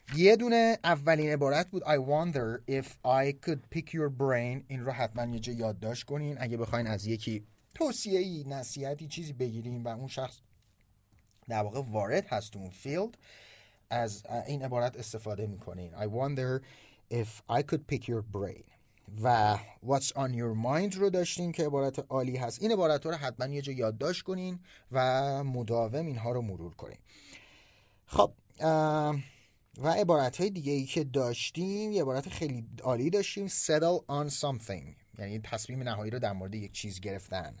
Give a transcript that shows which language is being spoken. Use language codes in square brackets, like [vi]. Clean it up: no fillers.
[fa] یه دونه اولین عبارت بود [en] I wonder if I could pick your brain. [fa] این رو حتما یه جای یادداشت کنین اگه بخواین از یکی توصیه‌ای، نصیحتی چیزی بگیرین و اون شخص در واقع وارد هست اون فیلد از این عبارت استفاده میکنین. [en] I wonder if I could pick your brain. [fa] و [en] what's on your mind [fa] رو داشتین که عبارت عالی هست. این عبارت رو حتما یه جا یادداشت کنین و مداوم اینها رو مرور کنین. خب و عبارت های دیگه ای که داشتیم، یه عبارت خیلی عالی داشتیم، [en] settle on something، [fa] یعنی تصمیم نهایی رو در مورد یک چیز گرفتن.